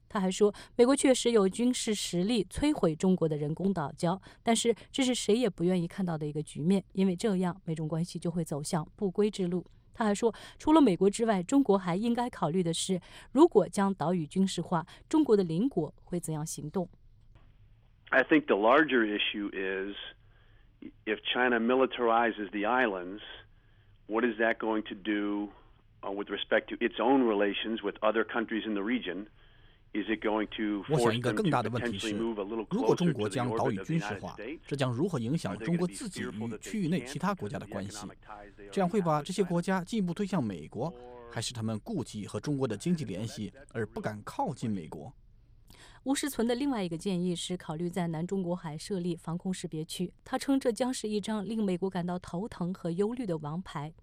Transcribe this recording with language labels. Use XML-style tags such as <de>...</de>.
<zh>他还说，美国确实有军事实力摧毁中国的人工岛礁，但是这是谁也不愿意看到的一个局面，因为这样美中关系就会走向不归之路。他还说，除了美国之外，中国还应该考虑的是，如果将岛屿军事化，中国的邻国会怎样行动。</zh> <en>I think the larger issue is if China militarizes the islands, what is that going to do with respect to its own relations with other countries in the region? Is it going to force them to potentially move a little closer to the orbit of the United States?</en> <zh>如果中国将岛屿军事化，这将如何影响中国自己与区域内其他国家的关系？这样会把这些国家进一步推向美国，还是他们顾忌和中国的经济联系而不敢靠近美国？吴世存的另外一个建议是考虑在南中国海设立防空识别区，他称这将是一张令美国感到头疼和忧虑的王牌。</zh>